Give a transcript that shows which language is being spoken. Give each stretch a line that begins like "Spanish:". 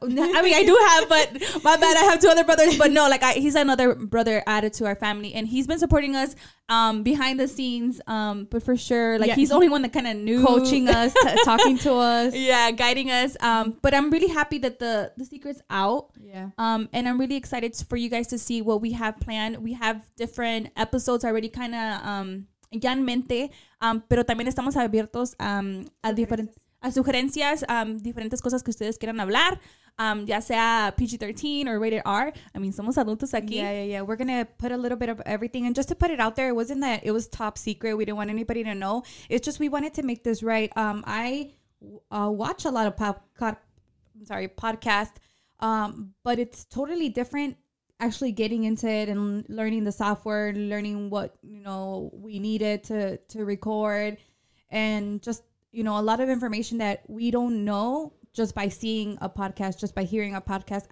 English: I mean, I do have, but my bad. I have 2 other brothers, but no, like he's another brother added to our family and he's been supporting us, behind the scenes. But for sure, like he's the only one that kind of knew. Coaching us, talking to us. Yeah. Guiding us. But I'm really happy that the secret's out. Yeah. And I'm really excited for you guys to see what we have planned.
Spanish: We have different episodes already kind of, ya en mente, pero también estamos abiertos a sugerencias, diferentes cosas que ustedes quieran hablar, ya sea PG-13 or rated R. I mean, somos adultos aquí.
English: Yeah. We're going to put a little bit of everything. And just to put it out there, it wasn't that it was top secret. We didn't want anybody to know. It's just we wanted to make this right. I watch a lot of podcasts, but it's totally different. actually getting into it and learning the software, learning what, you know, we needed to record, and just, you know, a lot of information that we don't know just by seeing a podcast, just by hearing a podcast.